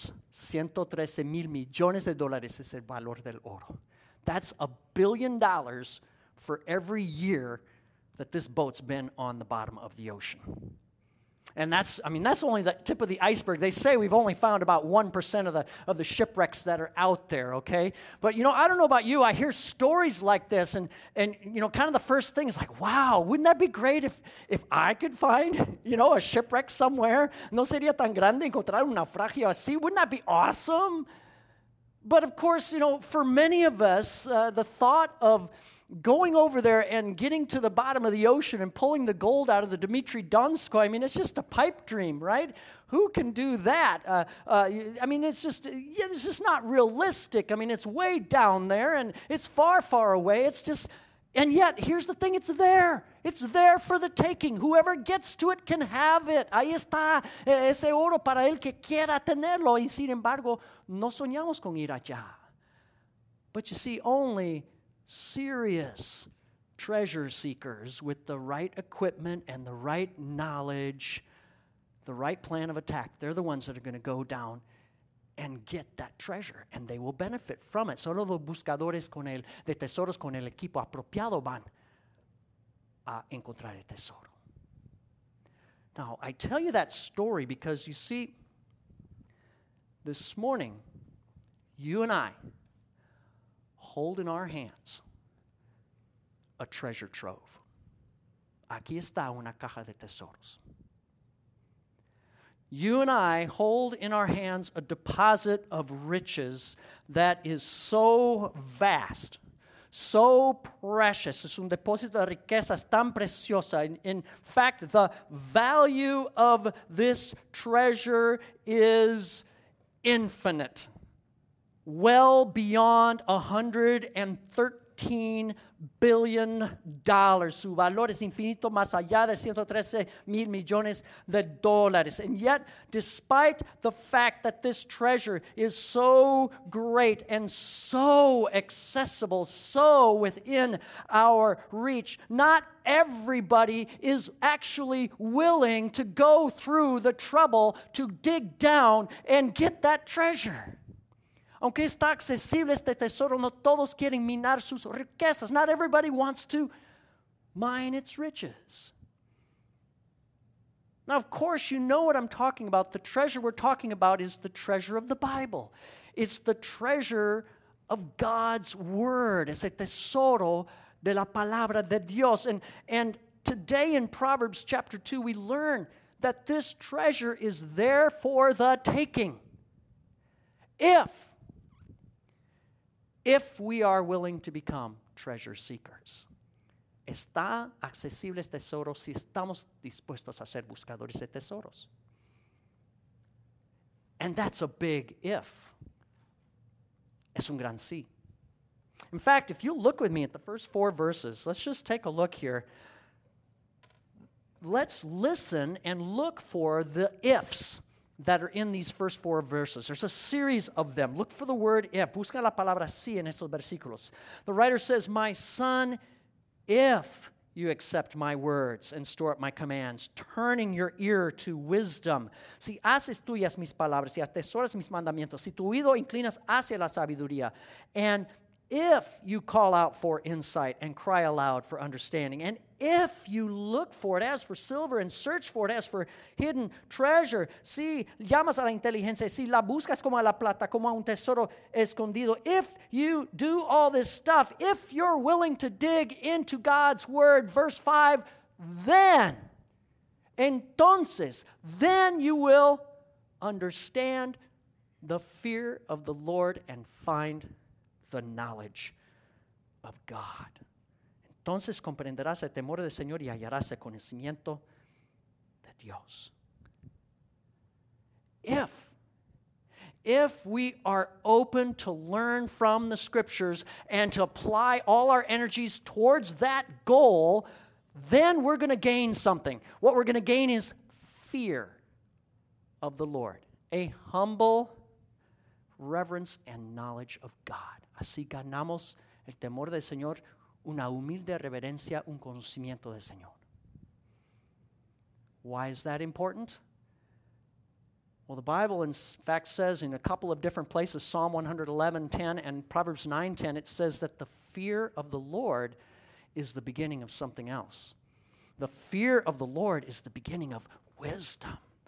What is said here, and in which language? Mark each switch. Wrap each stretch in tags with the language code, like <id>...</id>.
<es>113 mil millones de dólares es el valor del oro.</es> <en>That's $1 billion for every year that this boat's been on the bottom of the ocean. And that's only the tip of the iceberg. They say we've only found about 1% of the shipwrecks that are out there, okay? But, you know, I don't know about you. I hear stories like this, and you know, kind of the first thing is like, wow, wouldn't that be great if I could find, you know, a shipwreck somewhere?</en> <es>No sería tan grande encontrar un naufragio así.</es> <en>Wouldn't that be awesome? But, of course, you know, for many of us, the thought of going over there and getting to the bottom of the ocean and pulling the gold out of the Dmitry Donskoy, I mean, it's just a pipe dream, right? Who can do that? It's just not realistic. I mean, it's way down there, and it's far, far away. It's just, and yet, here's the thing, it's there. It's there for the taking. Whoever gets to it can have it.</en> <es>Ahí está ese oro para el que quiera tenerlo. Y sin embargo, no soñamos con ir allá.</es> <en>But you see, only serious treasure seekers with the right equipment and the right knowledge, the right plan of attack, they're the ones that are going to go down and get that treasure, and they will benefit from it.</en> <es>Solo los buscadores de tesoros con el equipo apropiado van a encontrar el tesoro.</es> <en>Now, I tell you that story because, you see, this morning, you and I hold in our hands a treasure trove.</en> <es>Aquí está una caja de tesoros.</es> <en>You and I hold in our hands a deposit of riches that is so vast, so precious.</en> <es>Es un depósito de riquezas tan preciosa.</es> <en>In fact, the value of this treasure is infinite. Well beyond 113 $113 billion.</en> <es>Su valor es infinito más allá de 113 mil millones de dólares.</es> <en>And yet, despite the fact that this treasure is so great and so accessible, so within our reach, not everybody is actually willing to go through the trouble to dig down and get that treasure.</en> <es>Aunque está accesible este tesoro, no todos quieren minar sus riquezas.</es> <en>Not everybody wants to mine its riches. Now, of course, you know what I'm talking about. The treasure we're talking about is the treasure of the Bible. It's the treasure of God's Word.</en> <es>Es el tesoro de la palabra de Dios.</es> <en>And today in Proverbs chapter 2, we learn that this treasure is there for the taking. If we are willing to become treasure seekers.</en> <es>Está accesible este tesoro si estamos dispuestos a ser buscadores de tesoros.</es> <en>And that's a big if.</en> <es>Es un gran sí.</es> <en>In fact, if you look with me at the first four verses, let's just take a look here. Let's listen and look for the ifs that are in these first four verses. There's a series of them. Look for the word if.</en> <es>Busca la palabra si en estos versículos.</es> <en>The writer says, "My son, if you accept my words and store up my commands, turning your ear to wisdom."</en> <es>Si haces tuyas mis palabras, si atesoras mis mandamientos, si tu oído inclinas hacia la sabiduría,</es> <en>and if you call out for insight and cry aloud for understanding, and if you look for it as for silver and search for it as for hidden treasure,</en> <es>si llamas a la inteligencia, si la buscas como a la plata, como a un tesoro escondido,</es> <en>if you do all this stuff, if you're willing to dig into God's word, verse 5, then you will understand the fear of the Lord and find the knowledge of God.</en> <es>Entonces comprenderás el temor del Señor y hallarás el conocimiento de Dios.</es> <en>If we are open to learn from the scriptures and to apply all our energies towards that goal, then we're going to gain something. What we're going to gain is fear of the Lord, a humble reverence and knowledge of God.</en> <es>Así ganamos el temor del Señor, una humilde reverencia, un conocimiento del Señor.</es> <en>Why is that important? Well, the Bible, in fact, says in a couple of different places, Psalm 111:10 and Proverbs 9:10, it says that the fear of the Lord is the beginning of something else. The fear of the Lord is the beginning of wisdom.</en>